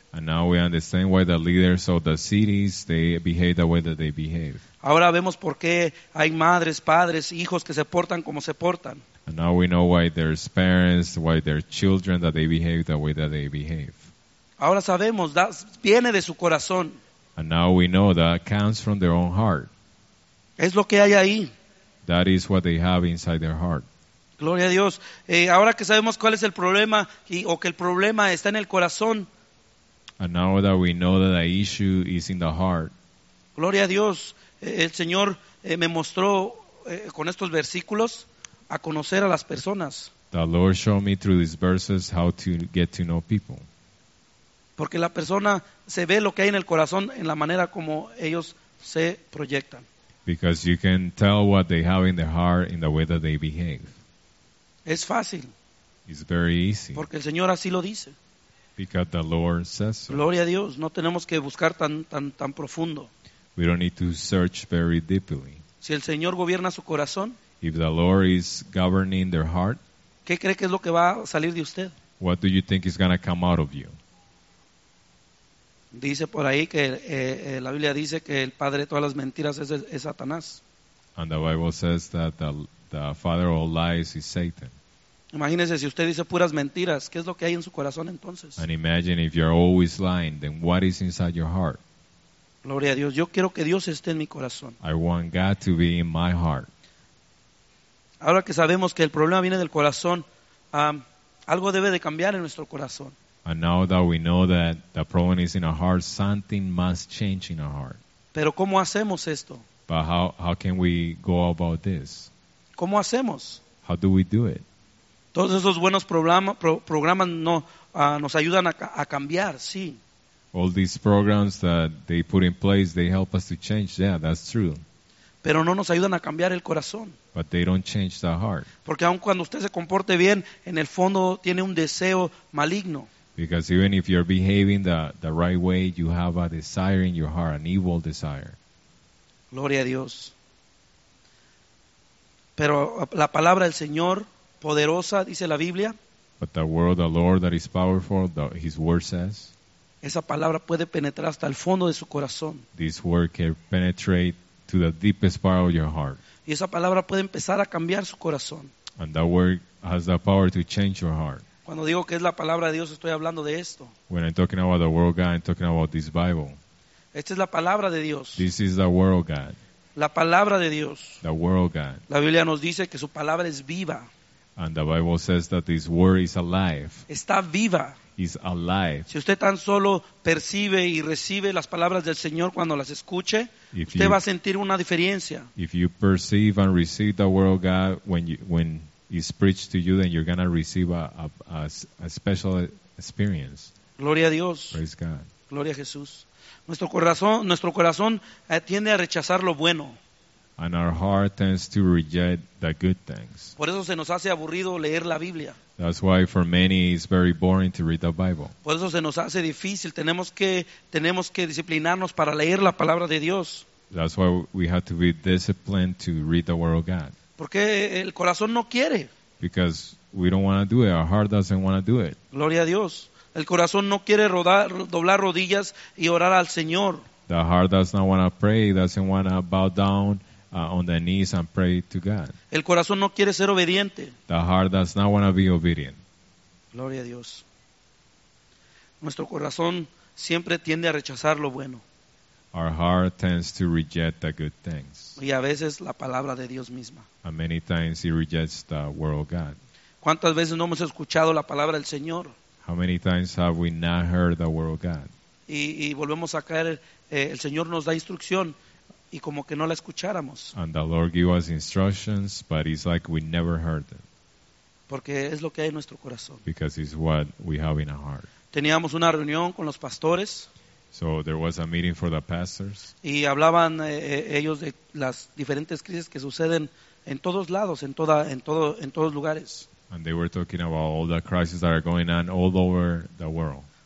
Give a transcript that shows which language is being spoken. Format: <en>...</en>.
<en>And now we understand why the leaders of the cities, they behave the way that they behave.</en> <es>Ahora vemos por qué hay madres, padres, hijos que se portan como se portan.</es> <en>And now we know why there's parents, why there's children, that they behave the way that they behave.</en> <es>Ahora sabemos, that viene de su corazón.</es> <en>And now we know that comes from their own heart.</en> <es>Es lo que hay ahí.</es> <en>That is what they have inside their heart.</en> <es>Gloria a Dios. Ahora que sabemos cuál es el problema, o que el problema está en el corazón.</es> <en>And now that we know that the issue is in the heart.</en> <es>Gloria a Dios. El Señor me mostró con estos versículos a conocer a las personas.</es> <en>The Lord showed me through these verses how to get to know people.</en> <es>Porque la persona se ve lo que hay en el corazón en la manera como ellos se proyectan.</es> <en>Because you can tell what they have in their heart in the way that they behave.</en> <es>Es fácil.</es> <en>It's very easy.</en> <es>Porque el Señor así lo dice.</es> <en>Because the Lord says so.</en> <es>Gloria a Dios, no tenemos que buscar tan profundo.</es> <en>We don't need to search very deeply.</en> <es>Si el Señor gobierna su corazón,</es> <en>if the Lord is governing their heart,</en> <es>¿qué cree que es lo que va a salir de usted?</es> <en>What do you think is going to come out of you?</en> <es>Dice por ahí que la Biblia dice que el padre de todas las mentiras es Satanás.</es> <en>And the Bible says that the father of all lies is Satan.</en> <es>Imagínese si usted dice puras mentiras, ¿qué es lo que hay en su corazón entonces?</es> <en>And imagine if you're always lying, then what is inside your heart?</en> <es>Gloria a Dios, yo quiero que Dios esté en mi corazón.</es> <en>I want God to be in my heart.</en> <es>Ahora que sabemos que el problema viene del corazón, algo debe de cambiar en nuestro corazón.</es> <en>And now that we know that the problem is in our heart, something must change in our heart.</en> <es>Pero ¿cómo hacemos esto?</es> <en>But how can we go about this?</en> <es>¿Cómo hacemos?</es> <en>How do we do it?</en> <es>Todos esos buenos programas no, nos ayudan a cambiar, sí.</es> <en>All these programs that they put in place, they help us to change. Yeah, that's true.</en> <es>Pero no nos ayudan a cambiar el corazón.</es> <en>But they don't change the heart.</en> <es>Porque aun cuando usted se comporte bien, en el fondo tiene un deseo maligno.</es> <en>Because even if you're behaving the right way, you have a desire in your heart, an evil desire.</en> <es>Gloria a Dios. Pero la palabra del Señor, poderosa, dice la Biblia.</es> <en>But the word of the Lord that is powerful, his word says,</en> <es>esa palabra puede penetrar hasta el fondo de su corazón.</es> <en>This word can penetrate to the deepest part of your heart.</en> <es>Y esa palabra puede empezar a cambiar su corazón.</es> <en>And that word has the power to change your heart.</en> <es>Cuando digo que es la palabra de Dios, estoy hablando de esto.</es> <en>When I'm talking about the word of God, I'm talking about this Bible.</en> <es>Esta es la palabra de Dios.</es> <en>This is the word of God.</en> <es>La palabra de Dios.</es> <en>The word of God.</en> <es>La Biblia nos dice que su palabra es viva.</es> <en>And the Bible says that this word is alive.</en> <es>Está viva.</es> <en>Is alive.</en> <es>Si usted tan solo percibe y recibe las palabras del Señor cuando las escuche, usted va a sentir una diferencia.</es> <en>If you perceive and receive the word of God when it's preached to you, then you're going to receive a special experience.</en> <es>Gloria a Dios.</es> <en>Praise God.</en> <es>Gloria a Jesús. Nuestro corazón tiende a rechazar lo bueno.</es> <en>And our heart tends to reject the good things.</en> <es>Por eso se nos hace aburrido leer la Biblia.</es> <en>That's why for many it's very boring to read the Bible.</en> <es>Por eso se nos hace difícil. Tenemos que disciplinarnos para leer la palabra de Dios.</es> <en>That's why we have to be disciplined to read the word of God.</en> <es>Porque el corazón no quiere.</es> <en>Because we don't want to do it. Our heart doesn't want to do it.</en> <es>Gloria a Dios. El corazón no quiere doblar rodillas y orar al Señor.</es> <en>The heart does not want to pray. Doesn't want to bow down on the knees and pray to God.</en> <es>El corazón no quiere ser obediente.</es> <en>The heart does not want to be obedient.</en> <es>Gloria a Dios. Nuestro corazón siempre tiende a rechazar lo bueno.</es> <en>Our heart tends to reject the good things.</en> <es>Y a veces la palabra de Dios misma.</es> <en>And many times he rejects the word of God.</en> <es>¿Cuántas veces no hemos escuchado la palabra del Señor?</es> <en>How many times have we not heard the word of God?</en> <es>Y volvemos a caer, el Señor nos da instrucción y como que no la escucháramos.</es> <en>And the Lord gave us instructions, but it's like we never heard them.</en> <es>Porque es lo que hay en nuestro corazón.</es> <en>Because it's what we have in our heart.</en> <es>Teníamos una reunión con los pastores.</es> <en>So there was a meeting for the pastors.</en> <es>Y hablaban ellos de las diferentes crisis que suceden en todos lados, en todos lugares.</es> <en>And they were talking about all the crises that are going on all over the world.</en>